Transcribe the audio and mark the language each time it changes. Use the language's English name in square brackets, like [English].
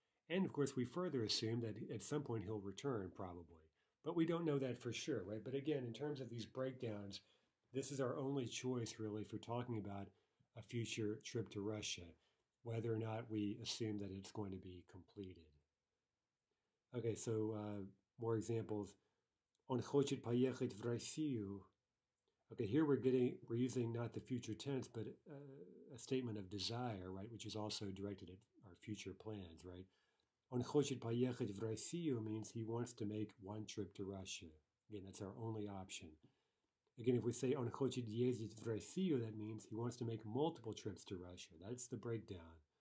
[English] And, of course, we further assume that at some point he'll return, probably. But we don't know that for sure, right? But, again, in terms of these breakdowns, this is our only choice, really, for talking about a future trip to Russia, whether or not we assume that it's going to be completed. Okay, so more examples. [Russian] Он хочет поехать в Россию. [English] Okay, here we're using not the future tense, but a statement of desire, right, which is also directed at our future plans, right? [Russian] Он хочет поехать в Россию [English] means he wants to make one trip to Russia. Again, that's our only option. Again, if we say [Russian] он хочет ездить в Россию, [English] that means he wants to make multiple trips to Russia. That's the breakdown.